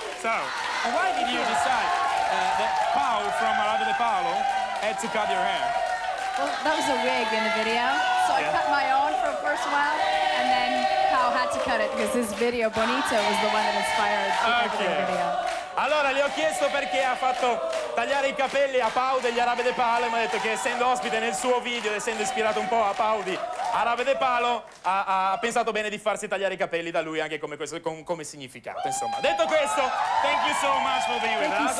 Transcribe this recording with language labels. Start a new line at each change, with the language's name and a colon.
English: So, why did you decide that Paul from Arrabbiate Paolo had to cut your hair? Well, that was a wig in the video. So I cut my own for the first while, and then Paul had to cut it because his video, Bonito, was the one that inspired the video.
Italian: Allora, le ho chiesto perché ha fatto tagliare i capelli a Paul degli Arrabbiate Paolo, e mi ha detto che essendo ospite nel suo video, essendo ispirato un po' a Paul di Arrabbiate Paolo, ha pensato bene di farsi tagliare i capelli da lui anche come, questo, come significato, insomma. Detto questo,
English: thank you so much for being with us.